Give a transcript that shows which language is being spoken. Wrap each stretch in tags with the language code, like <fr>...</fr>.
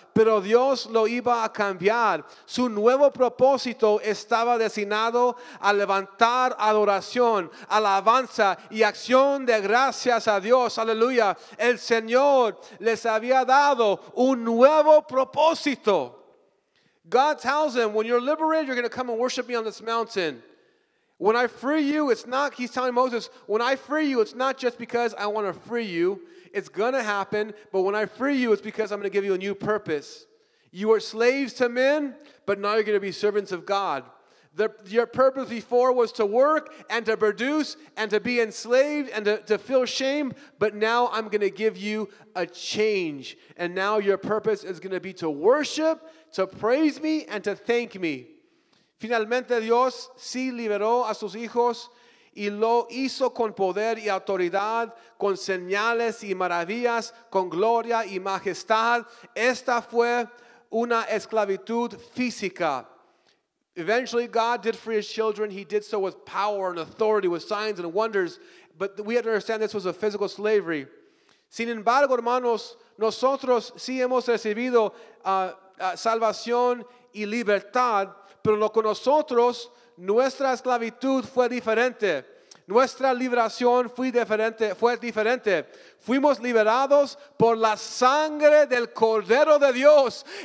<es>Pero Dios lo iba a cambiar. Su nuevo propósito estaba destinado a levantar adoración, alabanza y acción de gracias a Dios. Aleluya. El Señor les había dado un nuevo propósito.</es> <en>God tells him, when you're liberated, you're going to come and worship me on this mountain. When I free you, he's telling Moses, when I free you, it's not just because I want to free you. It's going to happen, but when I free you, it's because I'm going to give you a new purpose. You are slaves to men, but now you're going to be servants of God. Your purpose before was to work and to produce and to be enslaved and to feel shame, but now I'm going to give you a change. And now your purpose is going to be to worship, to praise me, and to thank me.</en> <es>Finalmente, Dios sí liberó a sus hijos y lo hizo con poder y autoridad, con señales y maravillas, con gloria y majestad. Esta fue una esclavitud física.</es> <en>Eventually, God did free his children. He did so with power and authority, with signs and wonders. But we have to understand this was a physical slavery.</en> <es>Sin embargo, hermanos, nosotros sí hemos recibido salvación y libertad, pero lo que nosotros, nuestra esclavitud fue diferente. Nuestra liberación fue diferente. Fuimos liberados por la sangre del Cordero de Dios.</es>